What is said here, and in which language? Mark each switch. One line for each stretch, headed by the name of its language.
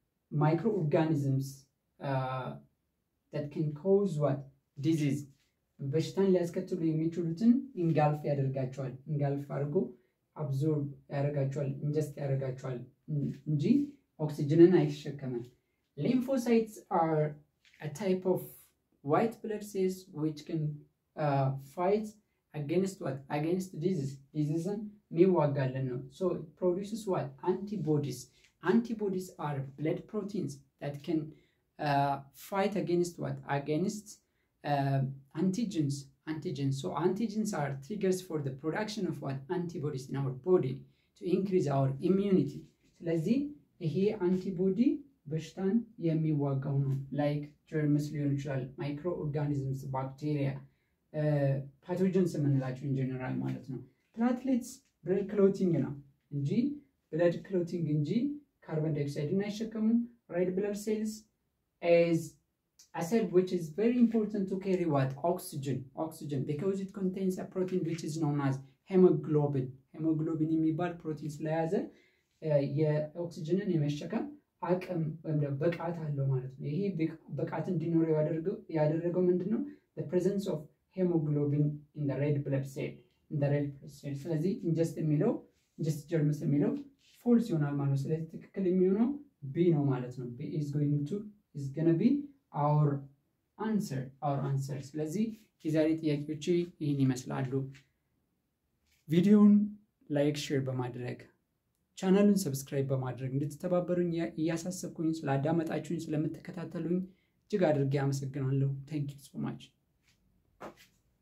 English: microorganisms that can cause what? Disease.
Amharic: በሽታን ሊያስከትሉ የሚችሉትን ኢንጋልፍ ያደርጋቸዋል። ኢንጋልፍ አድርጎ አብዞርብ ያደርጋቸዋል፣ ኢንጀስት ያደርጋቸዋል እንጂ ኦክሲጅንን አይሸከምም።
English: Lymphocytes are a type of white blood cells which can fight against what? Against disease.
Amharic: Disease የሚዋጋለን ነው.
English: So it produces what? Antibodies. Antibodies are blood proteins that can fight against what? Against antigens. Antigens. So antigens are triggers for the production of what? Antibodies in our body to increase our immunity.
Amharic: ስለዚህ ይሄ አንቲቦዲ በሽታን የሚዋጋው ነው.
English: Like germs
Amharic: ሊሆን ይችላል,
English: microorganisms, bacteria, pathogens
Amharic: የምንላቸው
English: in general
Amharic: ማለት ነው.
English: Platelets blood clotting ነው እንጂ blood clotting እንጂ carbon dioxide
Amharic: ን አይሸከሙም.
English: Red blood cells as I said, which is very important to carry what? Oxygen. Oxygen, because it contains a protein which is known as hemoglobin.
Amharic: Hemoglobin የሚባል ፕሮቲን ስለያዘ የኦክሲጅንን የመሸከም አቅም ወይም ብቃት አለው ማለት ነው. ይሄ ብቃት እንዲኖረው ያደረገው ምንድነው?
English: The presence of hemoglobin in the red blood cell. In the red blood cell.
Amharic: ስለዚህ ኢንጀስት የሚለው ኢንጀስት ጀርምስ የሚለው ፎልስ ይሆናል ማለት ነው. ስለዚህ ትክክል የሚሆነው B ነው ማለት ነው.
English: B is going to is gonna be our answer, our answers.
Amharic: ስለዚህ የዛሬ ጥያቄዎች ይህን ይመስላሉ. ቪዲዮውን ላይክ ሼር በማድረግ ቻናሉን ሰብስክራይብ በማድረግ እንድትተባበሩኝ እያሳሰብኩኝ ስለአዳመጣችሁኝ ስለምትከታተሉኝ እጅግ አድርጌ አመሰግናለሁ.
English: ቴንክ ዩ ሶ ማች.